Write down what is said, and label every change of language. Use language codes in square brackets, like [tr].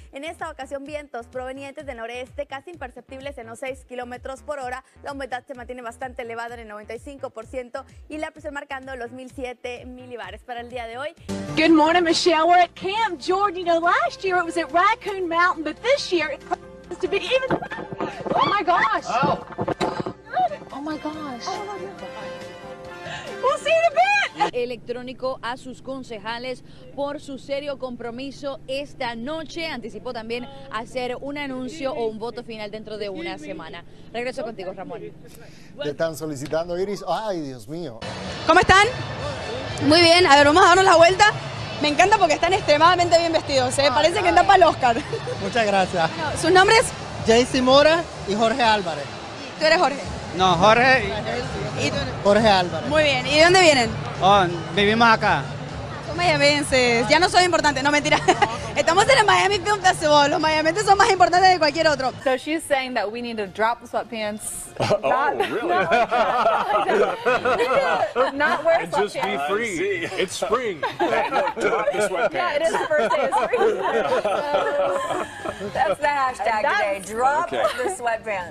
[es] En esta ocasión, vientos provenientes de noreste, casi imperceptibles en los 6 kilómetros por hora. La humedad se mantiene bastante elevada en el 95% y la presión marcando los 1,007 milibares para el día de hoy. [en] Good morning, Michelle. We're at Camp Jordan. You know, last year it was at Raccoon Mountain, but this year it promises to be even... Oh, my gosh. Oh. Oh, my gosh. Oh, my gosh. We'll see you in a bit. [es] Electrónico a sus concejales por su serio compromiso esta noche. Anticipó también hacer un anuncio o un voto final dentro de una semana. Regreso contigo, Ramón. Te están solicitando, Iris. Ay, Dios mío. ¿Cómo están? Muy bien. A ver, vamos a darnos la vuelta. Me encanta porque están extremadamente bien vestidos. ¿Eh? Parece que andan para el Oscar. Muchas gracias. Bueno, ¿sus nombres? Jaycee Mora y Jorge Álvarez. ¿Tú eres Jorge? No, Jorge. Jorge Álvarez. Muy bien, ¿y de dónde vienen? Oh, vivimos acá. Toma ya vences, ya no soy importante, no mentira. Estamos en el Miami Film Festival, los miamientes son más importantes de cualquier otro. [en] So she's saying that we need to drop the sweatpants. Not wear sweatpants. Just be free. It's spring. Yeah, it is the first day of spring. That's the hashtag today. Drop the sweatpants.